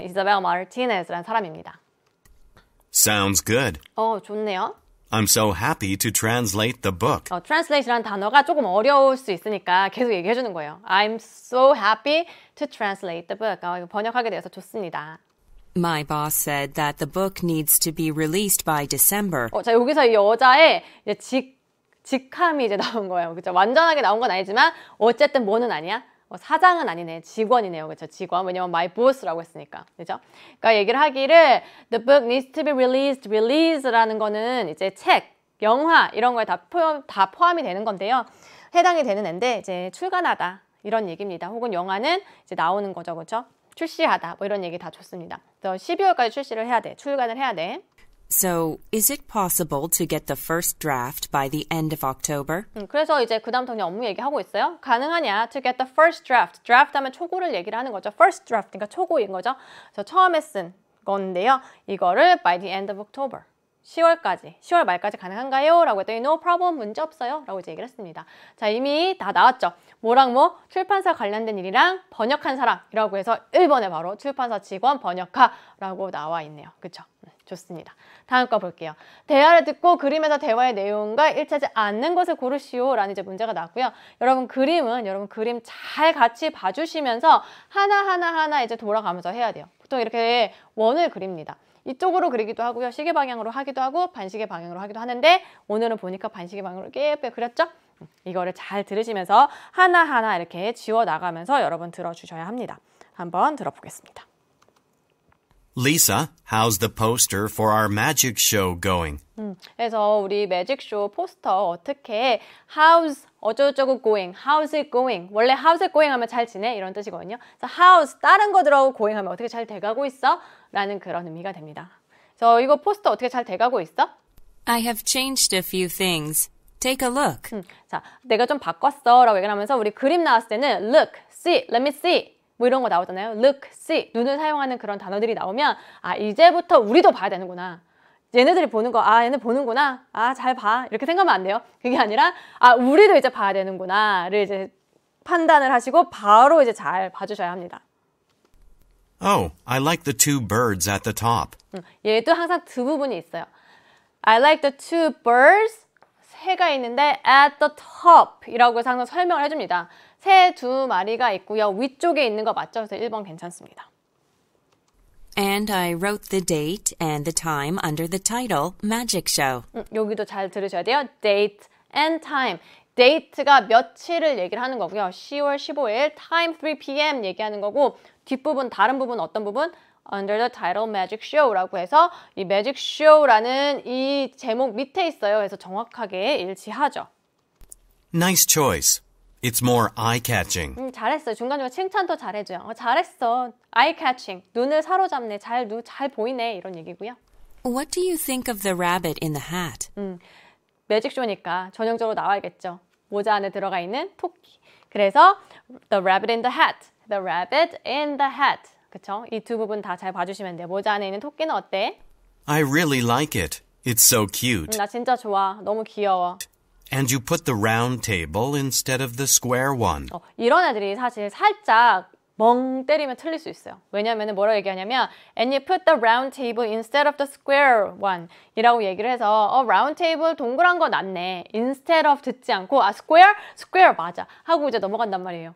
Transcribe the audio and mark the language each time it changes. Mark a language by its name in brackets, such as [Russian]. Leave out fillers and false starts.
[Korean] Isabel Martinez라는 사람입니다. [English] Sounds good. [Korean] 좋네요. [English] I'm so happy to translate the book. [Korean] Translate이라는 단어가 조금 어려울 수 있으니까 계속 얘기해 주는 거예요. [English] I'm so happy to translate the book. [Korean] 번역하게 되어서 좋습니다. [English] My boss said that the book needs to be released by December. [Korean] 자, 여기서 이 여자의 이제 직함이 이제 나온 거예요. 그렇죠? 완전하게 나온 건 아니지만 어쨌든 뭐는 아니야? 사장은 아니네. 직원이네요. 그렇죠? 직원. 왜냐면 [English] my boss [Korean] 라고 했으니까. 그렇죠? 그러니까 얘기를 하기를 [English] the book needs to be released. [Korean] Release라는 거는 이제 책, 영화 이런 거에 다 포함이 되는 건데요. 해당이 되는 앤데 이제 출간하다. 이런 얘기입니다. 혹은 영화는 이제 나오는 거죠. 그렇죠? 출시하다 뭐 이런 얘기 다 좋습니다. 그래서 12월까지 출시를 해야 돼. 출간을 해야 돼. [English] So, is it possible to get the first draft by the end of October? [Korean] 그래서 이제 그다음부터 그냥 업무 얘기하고 있어요. 가능하냐? [English] To get the first draft. [Korean] Draft 하면 초고를 얘기를 하는 거죠. First draft, 그러니까 초고인 거죠. 그래서 처음에 쓴 건데요. 이거를 [English] by the end of October. [Korean] 10월까지, 10월 말까지 가능한가요? 라고 했더니 [English] no problem, [Korean] 문제 없어요. 라고 이제 얘기를 했습니다. 자, 이미 다 나왔죠. 뭐랑 뭐, 출판사 관련된 일이랑 번역한 사람이라고 해서 1번에 바로 출판사 직원 번역가라고 나와 있네요. 그쵸? 좋습니다. 다음 거 볼게요. 대화를 듣고 그림에서 대화의 내용과 일치하지 않는 것을 고르시오 라는 이제 문제가 나왔고요. 여러분 그림은 여러분 그림 잘 같이 봐주시면서 하나하나하나 이제 돌아가면서 해야 돼요. 보통 이렇게 원을 그립니다. 이쪽으로 그리기도 하고요. 시계 방향으로 하기도 하고 반시계 방향으로 하기도 하는데 오늘은 보니까 반시계 방향으로 꽤 그렸죠? 이거를 잘 들으시면서 하나하나 이렇게 지워나가면서 여러분 들어주셔야 합니다. 한번 들어보겠습니다. [English] Lisa, how's the poster for our magic show going? [Korean] 그래서 우리 magic show 포스터 어떻게 how's 어쩌고저쩌고 going, [English] how's it going? [Korean] 원래 [English] how's it going [Korean] 하면 잘 지내? 이런 뜻이거든요. 그래서 how's 다른 거 들어오고 going 하면 어떻게 잘 돼가고 있어? 라는 그런 의미가 됩니다. 그래서 이거 포스터 어떻게 잘 돼가고 있어? [English] I have changed a few things. Take a look. [Korean] 자, 내가 좀 바꿨어 라고 얘기를 하면서 우리 그림 나왔을 때는 look, see, [English] let me see. [Korean] 뭐 이런 거 나오잖아요. Look, see, 눈을 사용하는 그런 단어들이 나오면 아, 이제부터 우리도 봐야 되는구나. 얘네들이 보는 거, 아, 얘네 보는구나. 아, 잘 봐. 이렇게 생각하면 안 돼요. 그게 아니라 아, 우리도 이제 봐야 되는구나를 이제 판단을 하시고 바로 이제 잘 봐주셔야 합니다. [English] Oh, I like the two birds at the top. [Korean] 얘도 항상 두 부분이 있어요. [English] I like the two birds. [Korean] 새가 있는데 at the top 이라고 해서 항상 설명을 해줍니다. 새 두 마리가 있고요. 위쪽에 있는 거 맞죠? 그래서 1번 괜찮습니다. [English] And I wrote the date and the time under the title Magic Show. [Korean] 여기도 잘 들으셔야 돼요. Date and time. Date가 며칠을 얘기를 하는 거고요. 10월 15일 time 3pm 얘기하는 거고 뒷부분 다른 부분 어떤 부분? [English] Under the title Magic Show [Korean] 라고 해서 이 Magic Show라는 이 제목 밑에 있어요. 그래서 정확하게 일치하죠. [English] Nice choice. It's more eye-catching. [Korean] 잘했어요. 중간중간 칭찬도 잘해줘요. 잘했어. Eye-catching. 눈을 사로잡네. 잘 보이네. 이런 얘기고요. [English] What do you think of the rabbit in the hat? [Korean] Magic Show니까 전형적으로 나와야겠죠. 모자 안에 들어가 있는 토끼. 그래서 [English] The rabbit in the hat. The rabbit in the hat. [Korean] 그렇죠? 이 두 부분 다 잘 봐주시면 돼요. 모자 안에 있는 토끼는 어때? [English] I really like it. It's so cute. [Korean] 나 진짜 좋아. 너무 귀여워. [English] And you put the round table instead of the square one. [Korean] 이런 애들이 사실 살짝 멍 때리면 틀릴 수 있어요. 왜냐하면 뭐라고 얘기하냐면 [English] And you put the round table instead of the square one [Korean] 이라고 얘기를 해서 round table 동그란 거 낫네. Instead of 듣지 않고 아 square? Square 맞아. 하고 이제 넘어간단 말이에요.